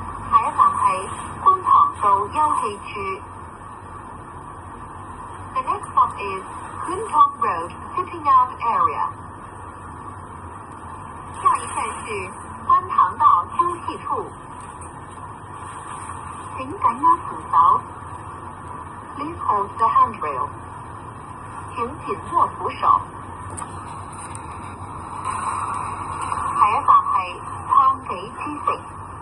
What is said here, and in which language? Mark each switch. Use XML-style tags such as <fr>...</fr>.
<zh>下一站是观塘道休憩处。</zh> <en>The next stop is Kun Tong Road Sitting Out Area.</en> <zh>下一站是观塘道休憩处。请紧握扶手。</zh> <en>Please hold the handrail.</en> <zh>请紧握扶手。下一站是康地之城。</zh>